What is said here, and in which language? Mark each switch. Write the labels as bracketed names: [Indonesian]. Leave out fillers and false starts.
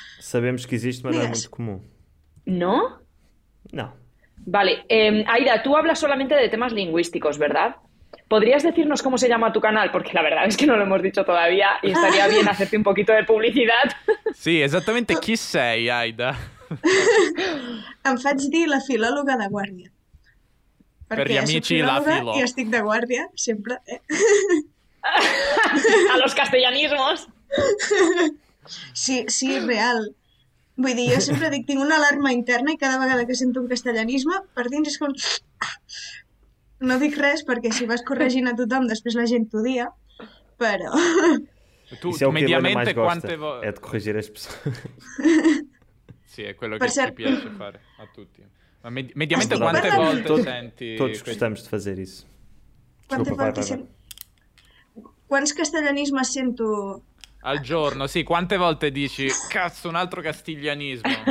[Spanish] Sabemos que existe, pero no es muy común. ¿No? No. Vale. Aida, tú hablas solamente de temas lingüísticos, ¿verdad? ¿Podrías decirnos cómo se llama tu canal? Porque la verdad es que no lo hemos dicho todavía y estaría bien hacerte un poquito de publicidad. Sí, exactamente. ¿Qué soy, Aida? [Catalan] Em faig dir la filòloga de guàrdia. Per amici, la filòloga. I estic de guàrdia, sempre. Eh? [Spanish] A los castellanismos. [Catalan] Sí, sí, real. Vull dir, jo sempre dic, tinc una alarma interna i cada vegada que sento un castellanisme, per dins és com... No dic res, perquè si vas corregint a tothom, després la gent t'odia, però... [Italian] Tu, si mediamente, quante vegades... [Catalan] Et corregiràs... [Italian] Sì, è quello per che ti piace fare a tutti. Ma mediamente quante volte senti... Tutti gustiamo di fare questo. Quante volte quanti castiglianismi sento... Al giorno, sì. Quante volte dici, cazzo, un altro castiglianismo?